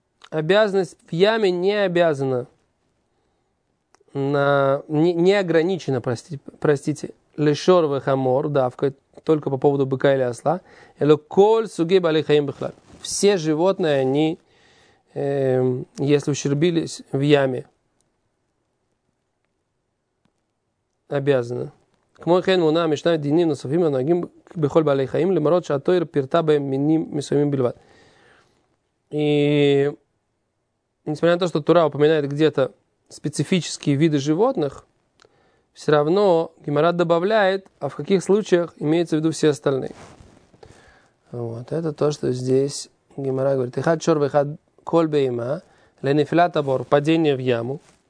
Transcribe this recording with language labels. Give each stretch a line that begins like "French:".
Russian: Обязанность в яме не обязана, не ограничена,
Hebrew: лешор ве хамор, давка,
Russian: только по поводу быка или осла,
Hebrew: эло коль суги бали хаим бихлал.
Russian: Все животные, они, если ущербились в яме, обязаны.
Hebrew: כמו כן מונה משנה דינים נוספים הנוהגים בכל בעלי חיים, למרות שהתויר פירטה בהם מינים מסוימים בלבד.
Russian: Несмотря на то, что Тора упоминает где-то специфические виды животных, все равно Гемара добавляет, а в каких случаях имеется в виду все остальные. Вот это то, что здесь Гемара говорит.
Hebrew: Эхад шор вэхад коль бэйма, ленефилат абор,
Russian: падение в яму.